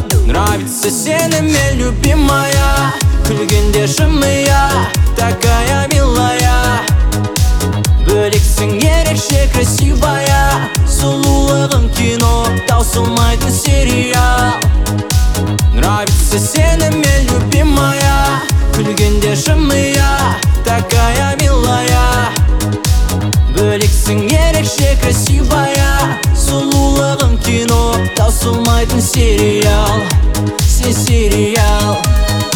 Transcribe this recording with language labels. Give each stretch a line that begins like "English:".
Russian: Нравится сеніме, любимая, күлгенде жымия, такая милая.
Kazakh: Бөліксің ерекше, красивая, сұлулығым кино, таусылмайтын сериал.
Russian: Нравится сеніме, любимая, күлгенде жымия, такая милая.
Kazakh: Бөліксің ерекше, красивая, сұлулығым кино, таусылмайтын сериал. Сен сериал.